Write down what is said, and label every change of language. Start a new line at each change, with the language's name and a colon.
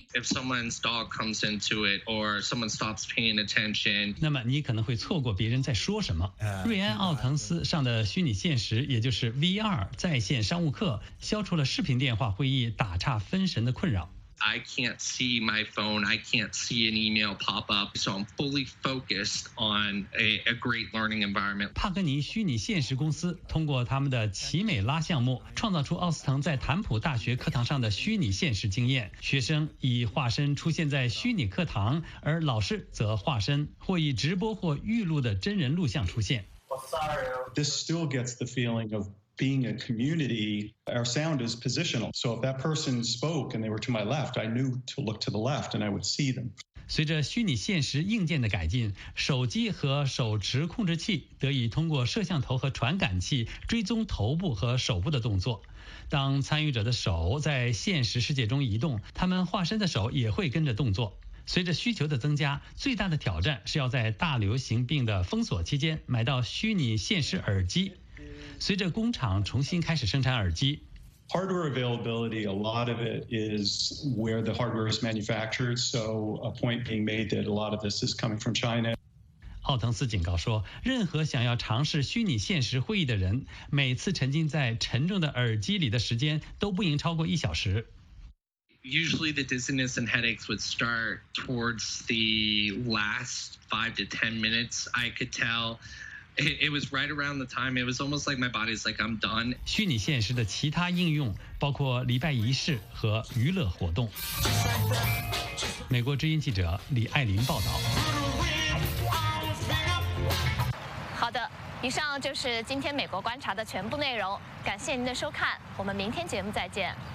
English: If someone's dog comes into it or someone stops paying attention,
Chinese: 那么你可能会错过别人在说什么。瑞安·奥滕斯上的虚拟现实，也就是 VR 在线商务课，消除了视频电话会议打岔分神的困扰。
English: I can't see my phone. I can't see an email pop up. So I'm fully focused on a great learning environment.
Chinese: 帕格尼虚拟现实公司通过他们的奇美拉项目，创造出奥斯腾在坦普大学课堂上的虚拟现实经验。学生以化身出现在虚拟课堂，而老师则化身或以直播或预录的真人录像出现。
English: This still gets the feeling of. Being a community, our sound is positional. So if that person spoke and they were to my left, I knew to look to the left and I would see them.
Chinese: 随着虚拟现实硬件的改进，手机和手持控制器得以通过摄像头和传感器追踪头部和手部的动作。当参与者的手在现实世界中移动，他们化身的手也会跟着动作。随着需求的增加，最大的挑战是要在大流行病的封锁期间买到虚拟现实耳机。随着工厂重新开始生产耳机
English: ，hardware availability a lot of it is where the hardware is manufactured. So a point being made that a lot of this is coming from China.
Chinese: 奥滕斯警告说，任何想要尝试虚拟现实会议的人，每次沉浸在沉重的耳机里的时间都不应超过1小时。
English: Usually the dizziness and headaches would start towards the last 5 to 10 minutes. I could tell. It was right around the time. It was almost like my body's like I'm done.
Chinese: 虚拟现实的其他应用包括礼拜仪式和娱乐活动。美国之音记者李爱琳报道。好的，以上就是今天美国观察的全部内容。感谢您的收看，我们明天节目再见。